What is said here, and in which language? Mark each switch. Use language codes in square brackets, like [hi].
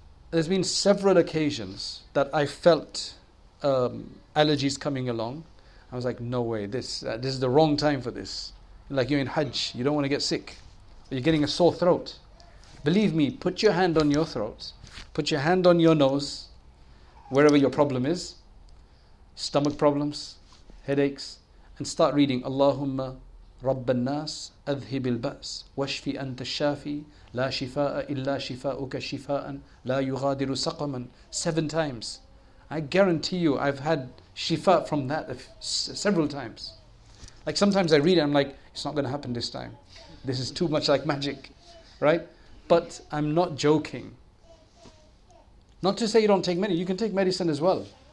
[en] There's been several occasions that I felt allergies coming along. I was like, no way, this is the wrong time for this. Like you're in Hajj, you don't want to get sick. You're getting a sore throat. Believe me, put your hand on your throat. Put your hand on your nose, wherever your problem is. Stomach problems, headaches. And start reading, [ar] Allahumma رب الناس أذهب البأس واشفي أنت الشافي لا شفاء إلا شفاءك شفاء لا يغادر سقما [en] 7 times. I guarantee you I've had shifa from that several times. Like sometimes I read it, I'm like, it's not going to happen this time. This is too much like magic, right? But I'm not joking. Not to say you don't take medicine. You can take medicine as well.